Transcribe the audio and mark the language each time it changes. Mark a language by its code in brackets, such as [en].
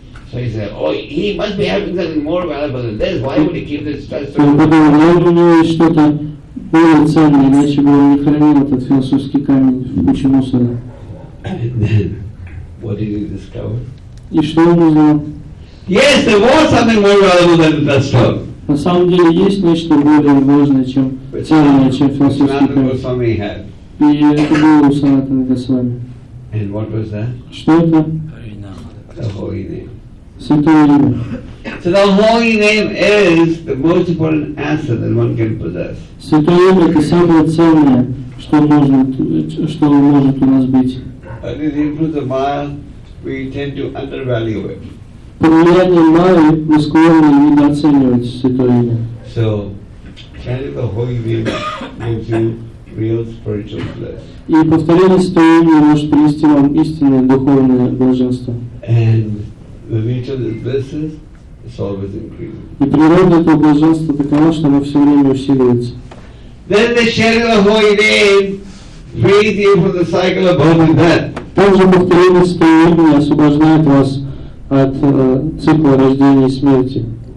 [en] So he said, oh, he must be having something more valuable than this. Why would he keep this stuff? [ru] Он подумал, у него есть что-то более ценное, иначе бы он не хранил этот философский камень в куче мусора. [en] And then, what did he discover? [ru] И что он узнал? [en] Yes, there was something more valuable than that stuff. [ru] На самом деле есть нечто более важное, чем ценное, чем философский камень. И это было у Санатана Госвами. [en] And what was that? [ru] Что это? [en] The holy name. [ru] Святое имя. [en] So the holy name is the most important asset that one can possess. [ru] Святое имя — это самое ценное, что может у нас быть. [en] And in Hebrews of Maya, we tend to undervalue it. [ru] По влиянию Майи мы склонны недооценивать Святое Имя. [en] So, chanting the Holy Name gives you real spiritual bliss. [ru] И повторение Святое Имя может принести вам истинное духовное блаженство. [en] And the nature of this bliss is, it's always increasing. [ru] И природа этого блаженства такова, что оно все время усиливается. [en] Then the chanting the Holy Name frees you from the cycle of birth and death. [ru] Также повторение Святое Имя освобождает вас от цикла рождения и смерти.